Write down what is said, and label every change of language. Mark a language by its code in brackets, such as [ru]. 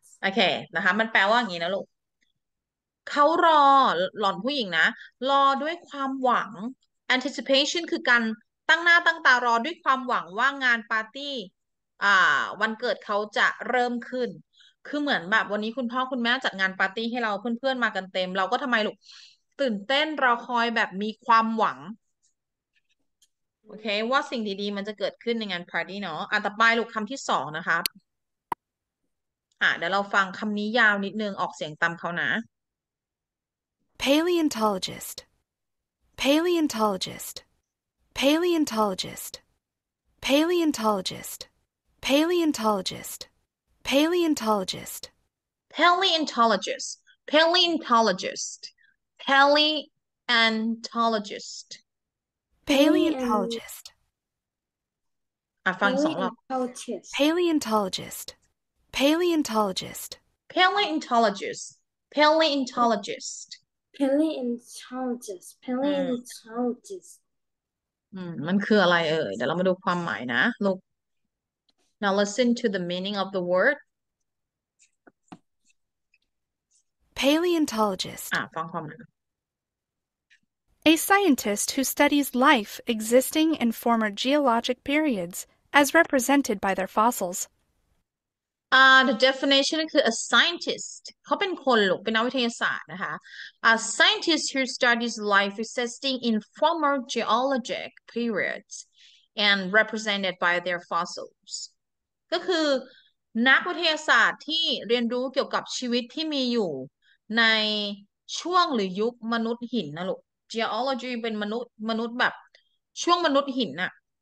[th] โอเคนะคะมันแปลว่าอย่างนี้นะลูกเขารอหล่อนผู้หญิงนะรอด้วยความหวัง anticipation คือการตั้งหน้าตั้งตารอด้วยความหวังว่างานปาร์ตี้วันเกิดเขาจะเริ่มขึ้นคือเหมือนแบบวันนี้คุณพ่อคุณแม่จัดงานปาร์ตี้ให้เราเพื่อนๆมากันเต็มเราก็ทำไมลูกตื่นเต้นรอคอยแบบมีความหวัง โอเคว่าสิ่งดีๆมันจะเกิดขึ้นในงานปาร์ตี้เนาะต่อไปลูกคำที่สองนะคะเดี๋ยวเราฟังคำนี้ยาวนิดนึงออกเสียงตามเขานะ [en] Paleontologist, paleontologist, paleontologist, paleontologist, paleontologist, paleontologist. Paleontologist, paleontologist, paleontologist, Paleontologist, [th] ฟังสองรอบ [en] paleontologist, paleontologist, paleontologist. paleontologist, paleontologist. Paleontologist, paleontologist. [th] มันคืออะไรเอ่ยเดี๋ยวเรามาดูความหมายนะลูก [en] Now listen to the meaning of the word. Paleontologist. [th] ฟังความหมาย [en] A scientist who studies life existing in former geologic periods as represented by their fossils. The definition [th] คือ [en] a scientist [th] เขาเป็นคนหรือเป็นนักวิทยาศาสตร์นะคะ [en] a scientist who studies life existing in former geologic periods and represented by their fossils [th] ก็คือนักวิทยาศาสตร์ที่เรียนรู้เกี่ยวกับชีวิตที่มีอยู่ในช่วงหรือยุคมนุษย์หินนะลูก geology เป็นมนุษย์แบบช่วงมนุษย์หินน่ะ